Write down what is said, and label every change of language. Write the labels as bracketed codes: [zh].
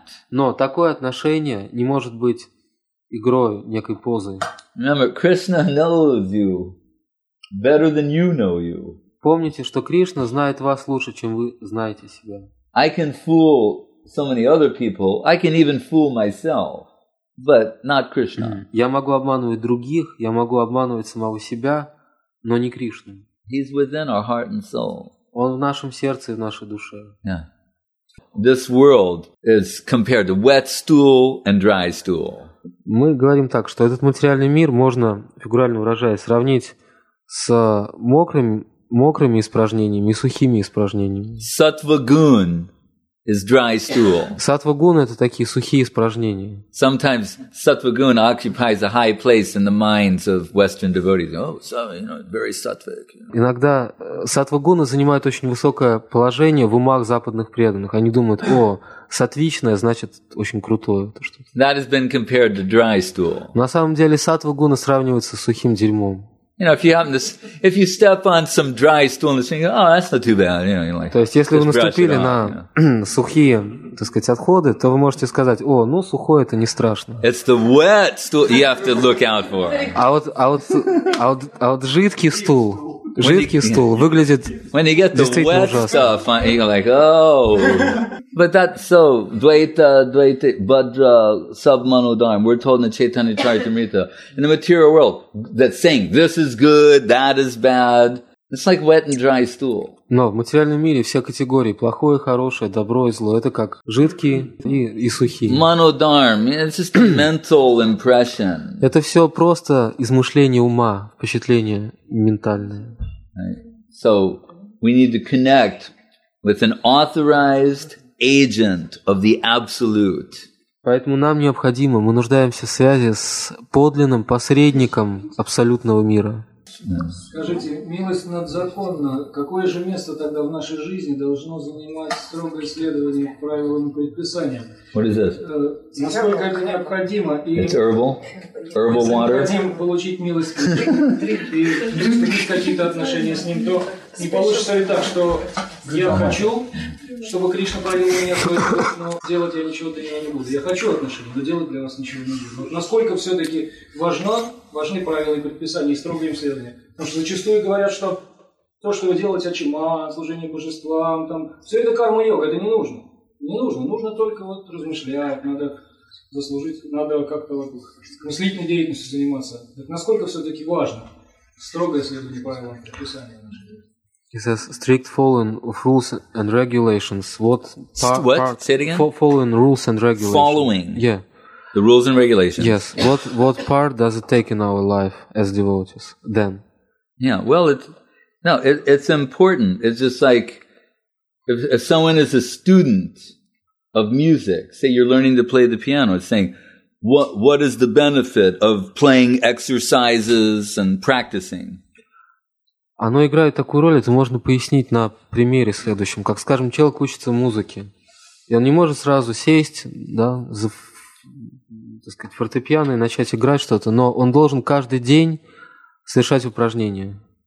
[ru] Но такое отношение не может быть игрой, некой позой. [en] Remember, Krishna knows you better than you know you. [ru] Помните, что Кришна знает вас лучше, чем вы знаете себя. [en] I can fool so many other people, I can even fool myself. But not Krishna. [ru] Я могу обманывать других, я могу обманывать самого себя, но не Кришну. [en] He's within our heart and soul. [ru] Он в нашем сердце и в нашей душе. [en] Yeah. This world is compared to wet stool and dry stool. [ru] Мы говорим так, что этот материальный мир можно, фигурально выражаясь, сравнить с мокрыми испражнениями и сухими испражнениями. [en] Сатвагун. Is dry stool. [ru] Сатвагун это такие сухие испражнения. [en] Sometimes сатвагун occupies a high place in the minds of Western devotees. Oh, so very sattvic. [ru] Иногда сатвагуны занимают очень высокое положение в умах западных преданных. Они думают, о, сатвичное значит очень крутое. [en] That has been compared to dry stool. [ru] На самом деле сатвагуны сравниваются с сухим дерьмом. [en] You know, if you step on some dry stool, and you go, oh, that's not too bad. You know, like. [ru] То есть, если вы наступили на сухие, так сказать, отходы, то вы можете сказать, о, ну сухое это не страшно. [en] It's the wet stool you have to look out for. [ru] А вот жидкий стул выглядит действительно ужасно. [en] When you get the wet stuff, you're like, oh. But that's so dvaita bhadra sabmanodharm. We're told in the Chaitanya Charitamrita in the material world that saying this is good, that is bad. It's like wet and dry stool. [ru] Но в материальном мире все категории плохое, хорошее, добро и зло это как жидкие и сухие. [en] Manodharm, it's just a mental impression. [ru] Это все просто измышление ума, впечатление ментальное. [en] Right. So we need to connect with an authorized agent of the absolute. [ru] Поэтому нам необходимо, мы нуждаемся в связи с подлинным посредником абсолютного мира. Скажите, милость надзаконна. Какое же место тогда в нашей жизни должно занимать строгое следование правилам и предписаниям? [en] What is this? [ru] Насколько это необходимо? [en] It's herbal. Herbal water. [ru] Если хотим получить милость и установить какие-то отношения с ним, то не получится ли так, что я хочу, чтобы Кришна полил меня свой путь, но делать я ничего для него не буду. Я хочу отношения, но делать для вас ничего не буду. Насколько все-таки важны правила и предписания, и строгое им следование? Потому что зачастую говорят, что то, что вы делаете, ачиман, служение божествам, там, все это карма-йога, это не нужно. Не нужно. Нужно только вот размышлять, надо заслужить, надо как-то вот мыслительной деятельностью заниматься. Так насколько все-таки важно строгое следование правилам и предписания нашего? [en] He says, strict following of rules and regulations. Say it again? Following rules and regulations. Following. Yeah. The rules and regulations. Yes. What part does it take in our life as devotees then? Yeah. Well, it's important. It's just like if someone is a student of music, say you're learning to play the piano, it's saying, what is the benefit of playing exercises and practicing? [ru] Оно играет такую роль, это можно пояснить на примере следующем. Как, скажем, человек учится музыке, и он не может сразу сесть, да, за, так сказать, фортепиано и начать играть что-то, но он должен каждый день совершать упражнения.